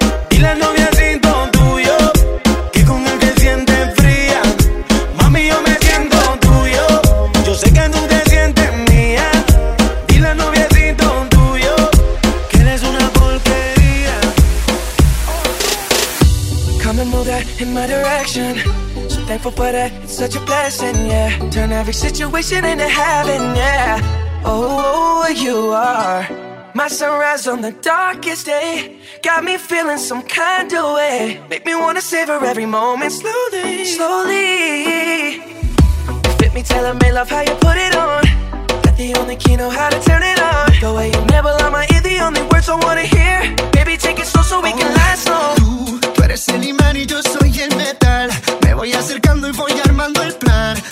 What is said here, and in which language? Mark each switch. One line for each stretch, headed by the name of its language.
Spanish: Y la novia siento tuyo, que con él te sientes fría. Mami, yo me siento tuyo. Yo sé que tú te sientes mía. Y la novia siento tuyo, que eres una porquería.
English: Come and move that in my direction. So thankful for that, it's such a blessing, yeah. Turn every situation into heaven, yeah. Oh, you are my sunrise on the darkest day. Got me feeling some kind of way. Make me wanna savor every moment. Slowly, slowly. Fit me, tell me, love, how you put it on. Got the only key, know how to turn it on. The way you never lie, my ear, the only words I wanna hear. Baby, take it slow so we can last long.
Spanish: Tú eres el imán y yo soy el metal. Me voy acercando y voy armando el plan.